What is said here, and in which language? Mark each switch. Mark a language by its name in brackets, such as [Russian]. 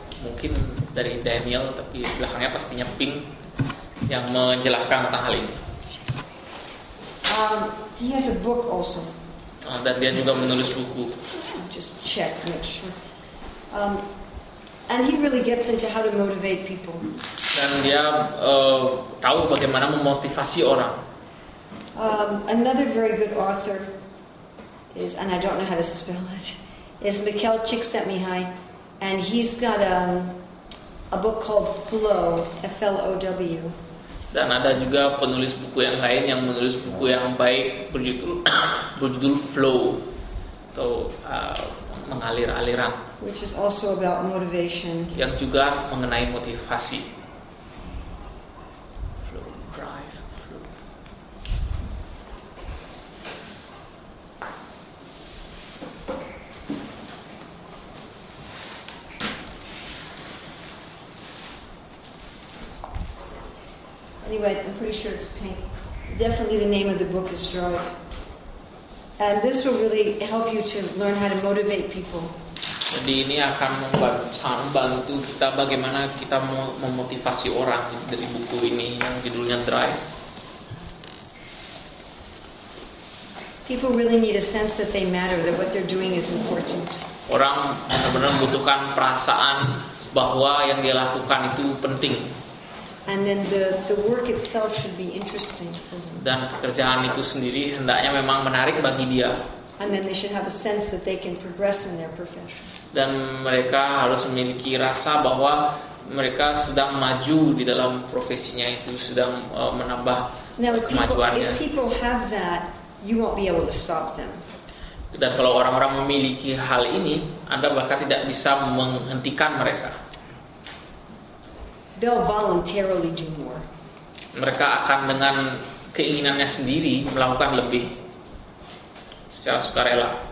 [Indonesian] Mungkin dari Daniel, tapi belakangnya pastinya Pink yang menjelaskan tentang hal ini. [English] He has a book also. [Indonesian] Dan dia juga menulis buku. [English] Just check, make sure. And he really gets into how to motivate people. [Indonesian] Dan dia tahu bagaimana memotivasi orang. [English] Another very good author is, and I don't know how to spell it, is Mikhail Csikszentmihalyi, and he's got a book called Flow, FLOW. [Indonesian] Dan ada juga penulis buku yang lain yang menulis buku yang baik berjudul Flow, atau mengalir aliran, [English] which is also about motivation, [Indonesian] yang juga mengenai motivasi. [English] Flow, drive, flow. Anyway, I'm pretty sure it's Pink. Definitely the name of the book is Drive. And this will really help you to learn how to motivate people. [Indonesian] Jadi ini akan sangat membantu kita bagaimana kita memotivasi orang dari buku ini yang judulnya Drive. [English] People really need a sense that they matter, that what they're doing is important. [Indonesian] Orang benar-benar membutuhkan perasaan bahwa yang dia lakukan itu penting. [English] And then the work itself should be interesting for them. [Indonesian] Dan pekerjaan itu sendiri hendaknya memang menarik bagi dia. [English] And then they should have a sense that they can progress in their profession. [Indonesian] Dan mereka harus memiliki rasa bahwa mereka sedang maju di dalam profesinya itu, sedang menambah kemajuannya. [English] If people have that, you won't be able to stop them. [Indonesian] Dan kalau orang-orang memiliki hal ini, Anda bahkan tidak bisa menghentikan mereka. [English] They'll voluntarily do more. [Indonesian] Mereka akan dengan keinginannya sendiri melakukan lebih secara sukarela.